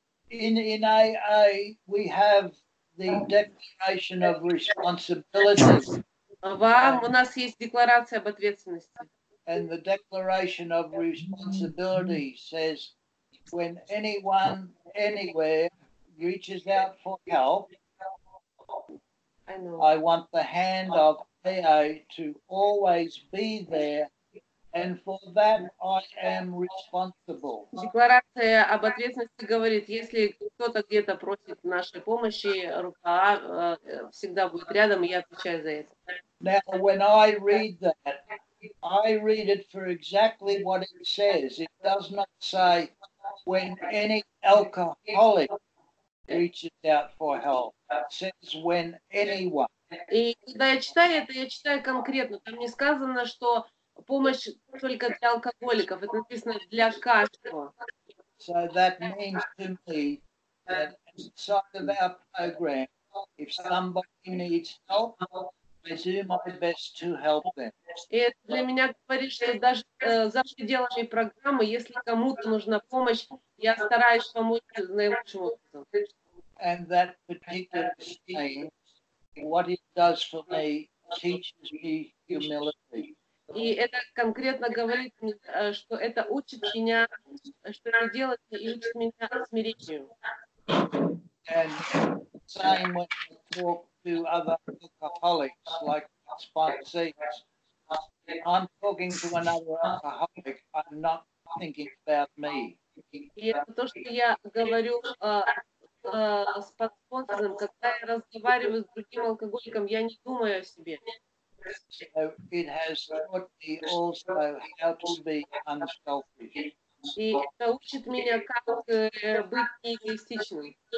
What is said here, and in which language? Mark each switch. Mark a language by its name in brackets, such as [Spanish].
[English] In AA we have the declaration of responsibility. [Russian] Вам, у нас есть декларация об ответственности. [English] And the declaration of responsibility says, when anyone anywhere reaches out for help, I want the hand of AA to always be there, and for that I am responsible. [Russian] Декларация об ответственности говорит, если кто-то где-то просит нашей помощи, рука всегда будет рядом, и я отвечаю за это. [English] Now, when I read that, I read it for exactly what it says. It does not say when any alcoholic reaches out for help. It says when anyone. [Russian] И когда я читаю это, я читаю конкретно. Там не сказано, что помощь только для алкоголиков. Это написано для каждого. [English] So that means to me that inside of our program, if somebody needs help, I do my best to help them. [Russian] И это для меня говорит, что даже за пределами программы, если кому-то нужна помощь, я стараюсь помочь наилучшим образом. [English] And that particular thing, what it does for me, teaches me humility. [Russian] И это конкретно говорит мне, что это учит меня, что это делает и учит меня смирению. [English] And same when I talk to other alcoholics, like sponsors, I'm talking to another alcoholic, I'm not thinking about me. [Russian] И это то, что я говорю с подспонсором, когда я разговариваю с другим алкоголиком, я не думаю о себе. [English] So it has taught me also how to be unselfish. [Russian] И это учит меня, как быть эгоистичным.